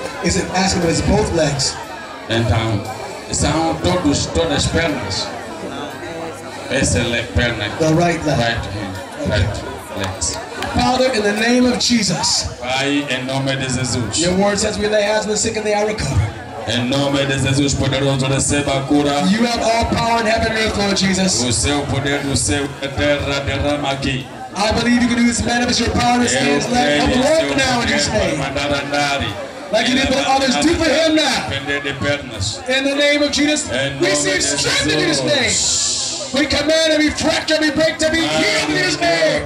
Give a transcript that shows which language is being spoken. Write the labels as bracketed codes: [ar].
[en] Is it asking for his both legs? [pt] Então, são todas as pernas. Essa é a perna. [en] The right leg. Right hand. Okay. Right legs. Father, in the name of Jesus. [pt] Pai, em nome de Jesus. [en] Your word says we lay hands on the sick and they are recovered. [pt] Em nome de Jesus, poderoso receba a cura. [en] You have all power in heaven and earth, Lord Jesus. [pt] O seu poder no céu e terra derrama aqui. [en] I believe you can do this manifest your power and stand like a walk now in his name. Like you did for others, do for him now. In the name of Jesus, receive strength in his name. We command every fracture, every break to be healed in His name.